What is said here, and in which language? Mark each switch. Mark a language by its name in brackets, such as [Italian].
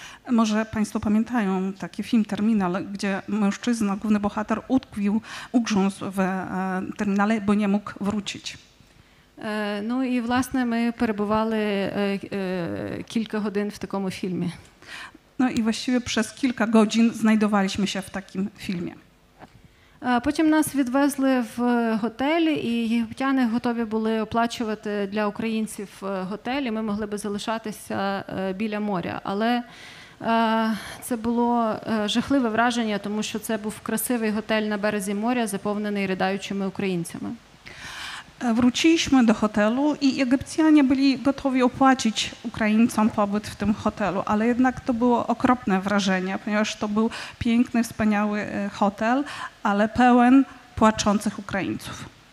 [Polish] Może państwo pamiętają taki film Terminal, gdzie mężczyzna, główny bohater, utkwił, ugrzązł w terminale, bo nie mógł wrócić. [Ukrainian] Ну і власне ми перебували кілька годин в такому фільмі. Ну і [Polish] właściwie przez kilka godzin znajdowaliśmy się w takim filmie. [Ukrainian] Потім нас відвезли в готелі, і єгиптяни готові були оплачувати для українців готелі. Ми могли би залишатися біля моря, але це було жахливе враження, тому що це був красивий готель на березі моря, заповнений ридаючими українцями. [Polish] Wróciliśmy do hotelu i Egipcjanie byli gotowi opłacić Ukraińcom pobyt w tym hotelu, ale jednak to było okropne wrażenie, ponieważ to był piękny, wspaniały hotel, ale pełen płaczących Ukraińców.